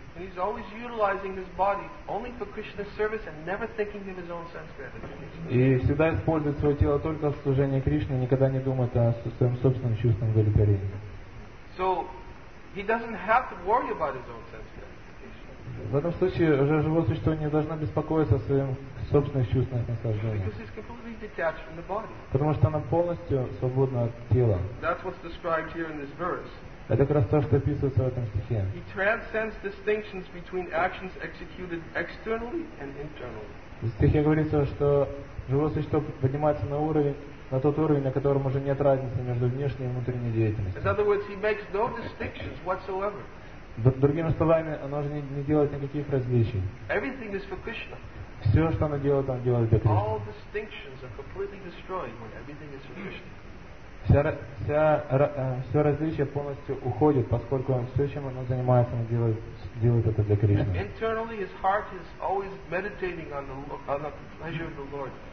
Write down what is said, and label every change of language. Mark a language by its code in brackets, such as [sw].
[en] And he's always utilizing his body only for Krishna's service and never thinking of his own sense gratification. [ru] И всегда использует свое тело только в служении Кришне, никогда не думает о своем собственном чувстве удовлетворения. [en] So he doesn't have to worry about his own sense gratification. [ru] В этом случае уже живое существо не должно беспокоиться о своем собственном чувстве наслаждения. [en] Because he's completely detached from the body. [ru] Потому что оно полностью свободно от тела. [en] That's what's described here in this verse. [ru] Это как раз то, что описывается в этом стихе. [en] He transcends distinctions between actions executed externally and internally. [ru] В стихе говорится, что живое существо поднимается на уровень, на тот уровень, на котором уже нет разницы между внешней и внутренней деятельностью. [en] In other words, he makes no distinctions whatsoever. [ru] Другими словами, оно уже не делает никаких различий. [en] Everything is for Krishna. [ru] Все, что оно делает для Кришны. [en] All distinctions are completely destroyed when everything is for Krishna. [ru] Все различие полностью уходит, поскольку он все, чем оно занимается, он делает это для Кришны. [en] Internally his heart is always meditating on the pleasure of the Lord.